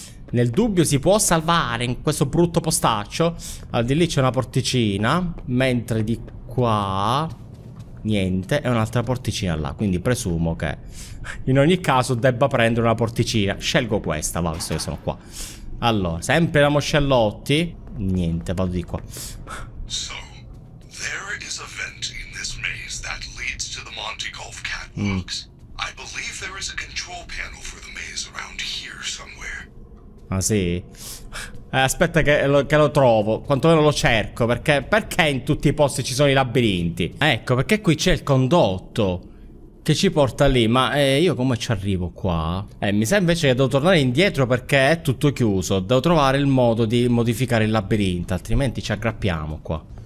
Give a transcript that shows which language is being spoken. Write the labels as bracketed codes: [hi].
[it] Nel dubbio si può salvare in questo brutto postaccio. Al di lì c'è una porticina, mentre di qua niente, è un'altra porticina là. Quindi presumo che in ogni caso debba prendere una porticina. Scelgo questa, va, visto che sono qua. Allora, sempre la moscellotti. Niente, vado di qua. [en] So, there is a vent in this maze that leads to the Monte Golf Catwalks. I believe there is a control panel for the maze around here somewhere. [it] Ah sì? Aspetta che lo trovo. Quantomeno lo cerco. Perché in tutti i posti ci sono i labirinti? Ecco, perché qui c'è il condotto che ci porta lì. Ma io come ci arrivo qua? Mi sa invece che devo tornare indietro, perché è tutto chiuso. Devo trovare il modo di modificare il labirinto, altrimenti ci aggrappiamo qua.